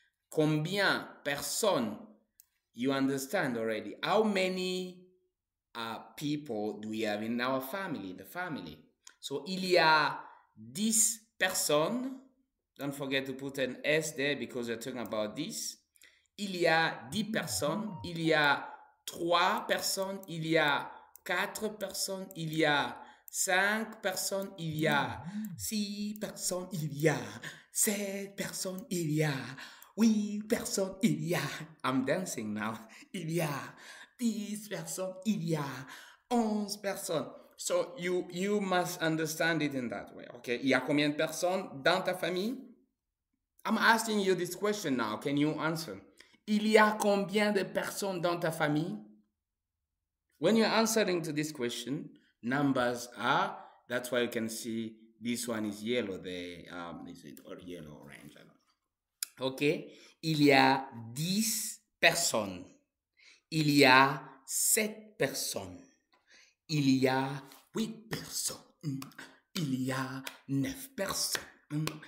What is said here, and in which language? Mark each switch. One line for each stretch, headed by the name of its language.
French: Combien personnes?
English: You understand already. How many people do we have in our family, the family? So,
French: il y a 10 personnes.
English: Don't forget to put an S there because we're talking about this.
French: Il y a 10 personnes. Il y a 3 personnes. Il y a quatre personnes, il y a cinq personnes, il y a six personnes, il y a sept personnes, il y a huit personnes, il y a...
English: I'm dancing now.
French: Il y a dix personnes, il y a onze personnes.
English: So you must understand it in that way, okay?
French: Il y a combien de personnes dans ta famille?
English: I'm asking you this question now. Can you answer?
French: Il y a combien de personnes dans ta famille?
English: When you're answering to this question, numbers are, that's why you can see this one is yellow, is it or yellow, orange, I don't know.
French: Okay, il y a 10 personnes, il y a 7 personnes, il y a 8 personnes, il y a 9 personnes.